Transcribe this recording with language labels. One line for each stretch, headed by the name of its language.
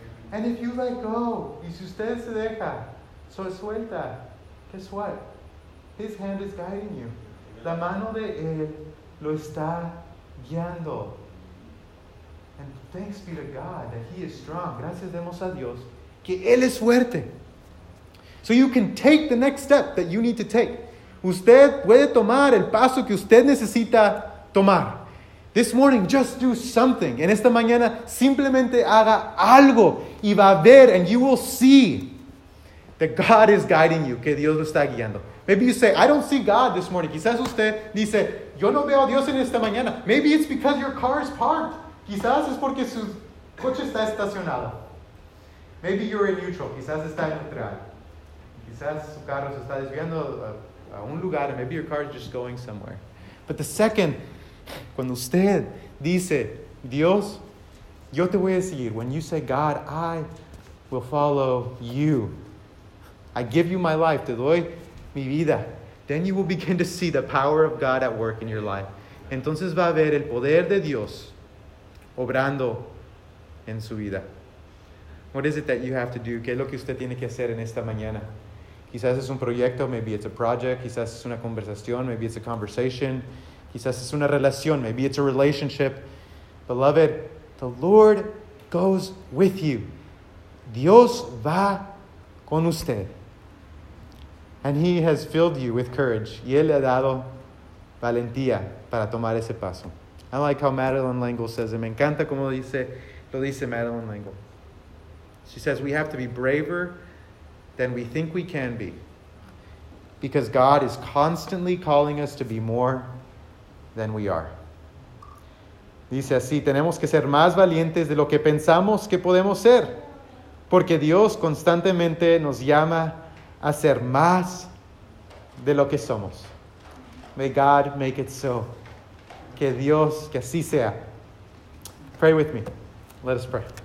English: And if you let go,
Spanish: y si usted se deja,
English: so
Spanish: suelta,
English: guess what? His hand is guiding you.
Spanish: La mano de él lo está guiando.
English: And thanks be to God that he is strong.
Spanish: Gracias demos a Dios que él es fuerte.
English: So you can take the next step that you need to take.
Spanish: Usted puede tomar el paso que usted necesita tomar.
English: This morning, just do something.
Spanish: En esta mañana, simplemente haga algo. Y va a ver,
English: and you will see that God is guiding you.
Spanish: Que Dios lo está guiando.
English: Maybe you say, I don't see God this morning.
Spanish: Quizás usted dice, yo no veo a Dios en esta mañana.
English: Maybe it's because your car is parked.
Spanish: Quizás es porque su coche está estacionado.
English: Maybe you're in neutral.
Spanish: Quizás está en neutral. Quizás su carro se está desviando a un lugar.
English: Maybe your car is just going somewhere. But the second,
Spanish: cuando usted dice, Dios, yo te voy a seguir.
English: When you say, God, I will follow you. I give you my life.
Spanish: Te doy mi vida.
English: Then you will begin to see the power of God at work in your life.
Spanish: Entonces va a ver el poder de Dios obrando en su vida.
English: What is it that you have to do?
Spanish: ¿Qué es lo que usted tiene que hacer en esta mañana? Quizás es un proyecto.
English: Maybe it's a project.
Spanish: Quizás es una conversación.
English: Maybe it's a conversation.
Spanish: Quizás es una relación.
English: Maybe it's a relationship. Beloved, the Lord goes with you.
Spanish: Dios va con usted.
English: And he has filled you with courage.
Spanish: Y él le ha dado valentía para tomar ese paso.
English: I like how Madeline L'Engle says it.
Spanish: Me encanta como lo dice Madeline L'Engle.
English: She says, we have to be braver than we think we can be. Because God is constantly calling us to be more than we are.
Spanish: Dice así, tenemos que ser más valientes de lo que pensamos que podemos ser. Porque Dios constantemente nos llama a ser más de lo que somos.
English: May God make it so.
Spanish: Que Dios, que así sea.
English: Pray with me. Let us pray.